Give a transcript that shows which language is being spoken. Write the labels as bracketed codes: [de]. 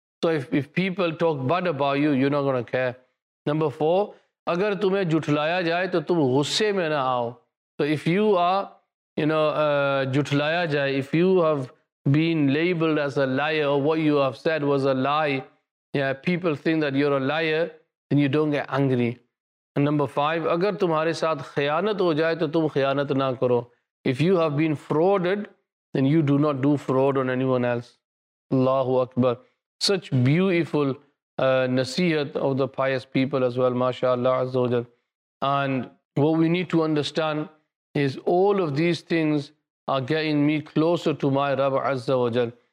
[en] So if people talk bad about you, you're not going to care. Number four, [ur] agar tumhe jhuthlaya jaye, to tum ghusse mein na aao. [en] So if you are, you know, jhuthlaya jaye, if you have been labeled as a liar, or what you have said was a lie, yeah, people think that you're a liar, then you don't get angry. [ur] Number 5, اگر تمہارے ساتھ خیانت ہو جائے تو تم خیانت نہ کرو. [en] If you have been frauded, then you do not do fraud on anyone else. [ar] اللہ اکبر. [en] Such beautiful nasihat of the pious people as well, mashallah azza wa jal. And what we need to understand is all of these things are getting me closer to my Rabb azza wa jal.